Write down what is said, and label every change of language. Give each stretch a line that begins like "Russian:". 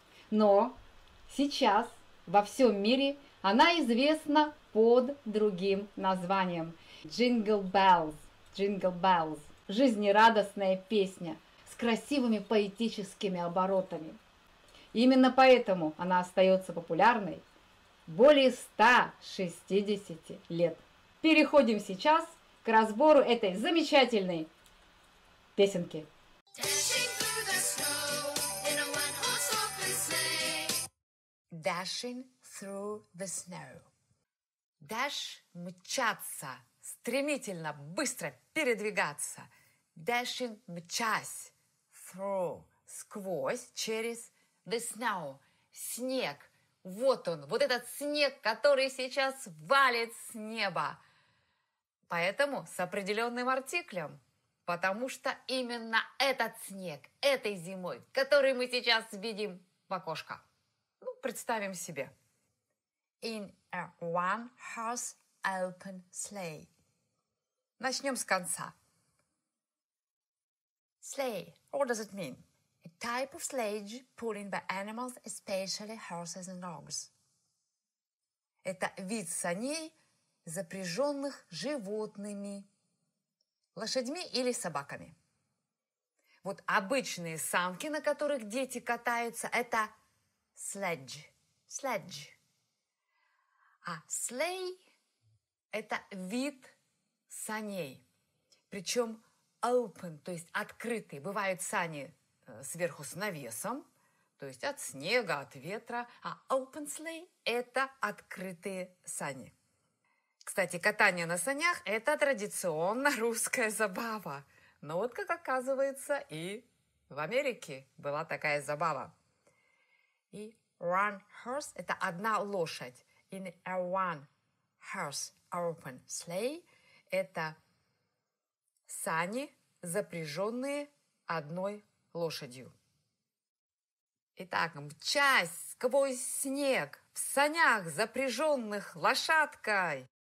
Russian: Но сейчас во всем мире она известна под другим названием Jingle Bells, Jingle Bells, жизнерадостная песня с красивыми поэтическими оборотами. Именно поэтому она остается популярной более 160 лет. Переходим сейчас к разбору этой замечательной песенки.
English: Dashing through the snow.
Russian: Dash – мчаться, стремительно, быстро передвигаться. Dashing – мчась. Through – сквозь, через.
English: The snow – снег.
Russian: Вот он, вот этот снег, который сейчас валит с неба. Поэтому с определенным артиклем. Потому что именно этот снег, этой зимой, который мы сейчас видим в окошко. Ну, представим себе.
English: In a one-horse open sleigh.
Russian: Начнем с конца.
English: Sleigh. What does it mean? A type of sledge pulling by animals, especially horses and dogs.
Russian: Это вид саней, запряженных животными, лошадьми или собаками. Вот обычные санки, на которых дети катаются, это sledge.
English: Sledge.
Russian: А sleigh – это вид саней. Причем open, то есть открытый. Бывают сани сверху с навесом, то есть от снега, от ветра. А open sleigh – это открытые сани. Кстати, катание на санях – это традиционно русская забава. Но вот как оказывается, и в Америке была такая забава. И one horse – это одна лошадь.
English: In a one horse open sleigh
Russian: – это сани, запряженные одной лошадью. Итак, мчась сквозь снег в санях, запряженных лошадкой.